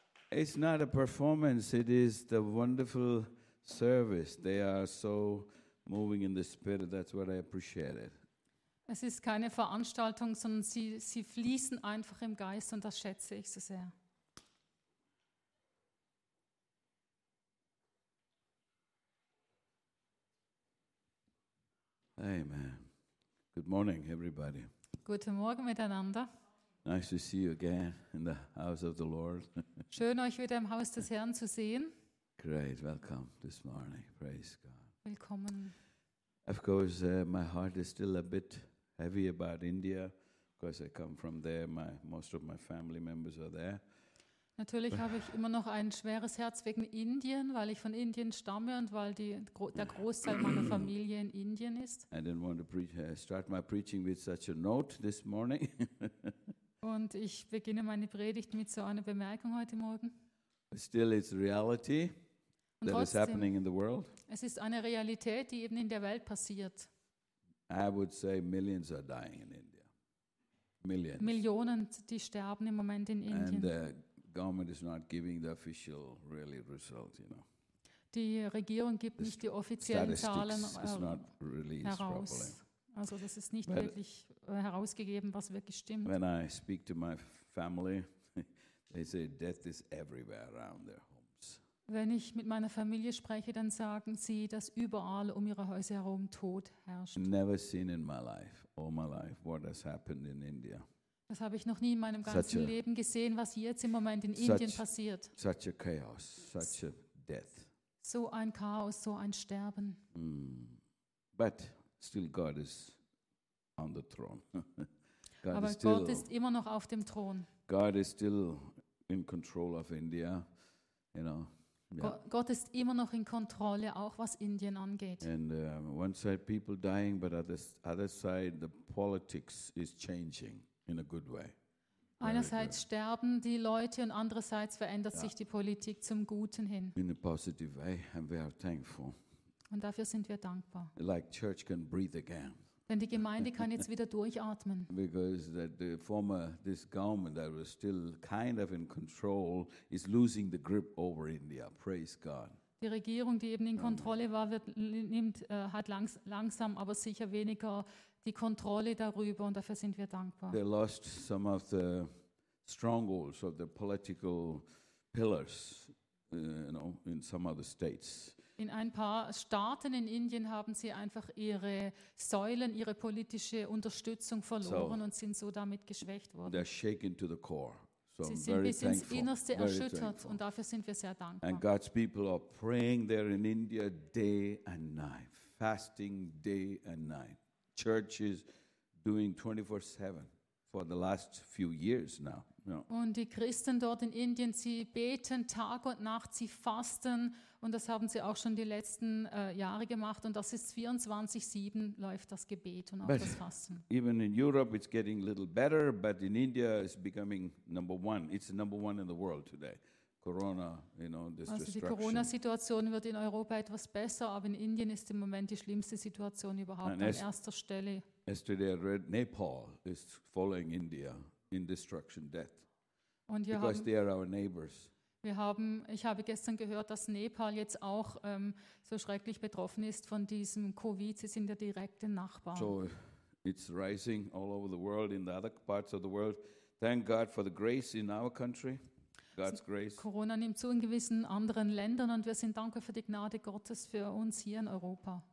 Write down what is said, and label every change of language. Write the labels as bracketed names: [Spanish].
[English] It's not a performance, it is the wonderful service. They are so moving in the spirit, that's what I appreciate it. [German] Es ist keine Veranstaltung, sondern sie fließen einfach im Geist, und das schätze ich so sehr. [English] Amen. Good morning, everybody. [German] Guten Morgen miteinander. [English] Nice to see you again in the house of the Lord. [German] Schön, euch wieder im Haus des Herrn zu sehen. [English] Great. Welcome this morning. Praise God. [German] Willkommen. [English] Of course, my heart is still a bit heavy about India, because I come from there. Most of my family members are there. [German] Natürlich habe ich immer noch ein schweres Herz wegen Indien, weil ich von Indien stamme und weil der Großteil meiner Familie in Indien ist. [English] I didn't want to start my preaching with such a note this morning. [German] Und ich beginne meine Predigt mit so einer Bemerkung heute Morgen. [English] But still it's reality [German] und [English] that [German] trotzdem, [English] is happening in the world. [German] Es ist eine Realität, die eben in der Welt passiert. [English] I would say millions are dying in India. Millions. [German] Millionen, die sterben im Moment in Indien. [English] Government is not giving the official really result, you know. [German] Die Regierung gibt [English] the [German] nicht die offiziellen Zahlen [English] is not released [German] heraus. [English] Properly. [German] Also das ist nicht But wirklich herausgegeben, was wirklich stimmt. [English] When I speak to my family, they say death is everywhere around their homes. [German] Wenn ich mit meiner Familie spreche, dann sagen sie, dass überall um ihre Häuser herum Tod herrscht. [English] Never seen in my life, all my life, what has happened in India. [German] Das habe ich noch nie in meinem ganzen Leben gesehen, was jetzt im Moment in Indien passiert. [English] Such a chaos, such a death. [German] So ein Chaos, so ein Sterben. [English] Mm. But still God is on the throne. God [German] Aber [English] is still, [German] Gott ist immer noch auf dem Thron. [English] God is still in control of India, you know. [German] Gott ist immer noch in Kontrolle, auch was Indien angeht. [English] And one side people dying, but at the other side the politics is changing in a good way. [German] Einerseits sterben die Leute und andererseits verändert sich die Politik zum Guten hin. [English] In a positive way, and we are thankful. [German] Und dafür sind wir dankbar. [English] Like church can breathe again. [German] Denn die Gemeinde kann jetzt wieder durchatmen. [English] Because that the former this government that was still kind of in control is losing the grip over India. Praise God. [German] Die Regierung, die eben in Kontrolle war, hat langsam, aber sicher weniger die Kontrolle darüber. Und dafür sind wir dankbar. [English] They lost some of the strongholds of the political pillars, in some other states. [German] In ein paar Staaten in Indien haben sie einfach ihre Säulen, ihre politische Unterstützung verloren und sind so damit geschwächt worden. [English] They're shaken to the core. So [German] sie sind bis ins Innerste erschüttert und dafür sind wir sehr dankbar. [English] And God's people are praying there in India day and night, fasting day and night. Church is doing 24/7 for the last few years now. [German] Und die Christen dort in Indien, sie beten Tag und Nacht, sie fasten und das haben sie auch schon die letzten Jahre gemacht und das ist 24/7 läuft das Gebet und auch [English] but [German] das Fasten. [English] Even in Europe it's getting a little better, but in India it's becoming number one. It's number one in the world today. Corona, you know, this destruction. [German] Also die Corona-Situation wird in Europa etwas besser, aber in Indien ist im Moment die schlimmste Situation überhaupt an erster Stelle. [English] Yesterday I read Nepal is following India. In destruction, death. [German] Und wir [English] because [German] haben, [English] they are our neighbors. [German] Ich habe gestern gehört, dass Nepal jetzt auch so schrecklich betroffen ist von diesem Covid. Sie sind der direkte Nachbar. [English] So, it's rising all over the world, in the other parts of the world. Thank God for the grace in our country. God's grace. [German] Corona nimmt zu in gewissen anderen Ländern und wir sind dankbar für die Gnade Gottes für uns hier in Europa.